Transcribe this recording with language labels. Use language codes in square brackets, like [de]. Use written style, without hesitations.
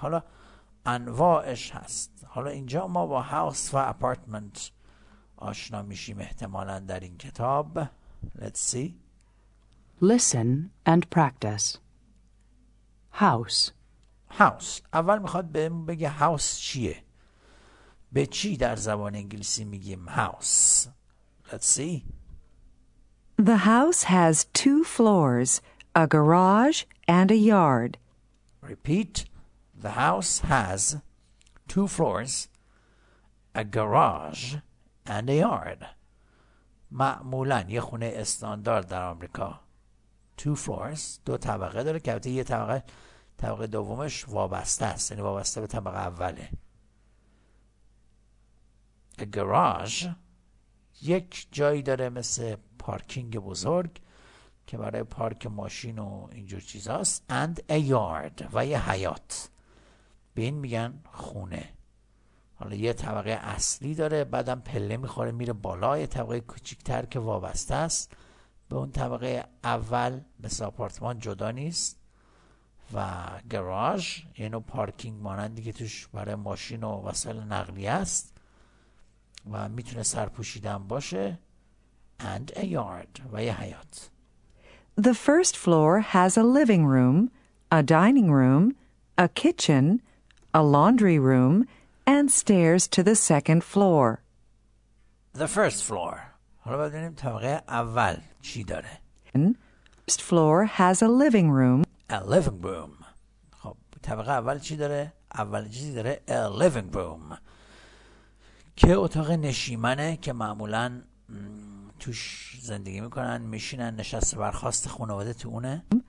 [fa] حالا انواعش هست. حالا اینجا ما با هاوس و اپارتمنت آشنا میشیم احتمالاً در این کتاب. [en] Let's see. Listen and practice. House. [fa] اول میخواد بهم بگه هاوس چیه؟ به چی در زبان انگلیسی میگیم هاوس؟ [en] Let's see. The house has two floors, a garage and a yard. Repeat. The house has two floors, a garage and a yard. [fa] معمولاً یه خونه استاندارد در آمریکا two floors، دو طبقه داره که البته یه طبقه، طبقه دومش وابسته است، یعنی وابسته به طبقه اوله. A garage یک جایی داره مثل پارکینگ بزرگ که برای پارک ماشین و اینجور چیز هست، [en] and a yard [fa] و یه حیات. به این میگن خونه. حالا یه طبقه اصلی داره، بعدم پله میخوره میره بالا، یه طبقه کوچیکتر که وابسته است به اون طبقه اول، مثل آپارتمان جدا نیست، و گراژ یعنی پارکینگ مانندی که توش برای ماشین و وسایل نقلیه است و میتونه سرپوشیدن باشه، [en] and a yard [fa] و یه حیات. [en] The first floor has a living room, a dining room, a kitchen, a laundry room, and stairs to the second floor. The first floor. [fa] حالا ببینیم طبقه اول چی داره. [en] First floor has a living room. A living room. [fa] خب طبقه اول چی داره؟ اول چیزی داره a living room. که اتاق نشیمنه که معمولاً توش زندگی میکنن، میشینن نشست برخاست خانواده تو اونه.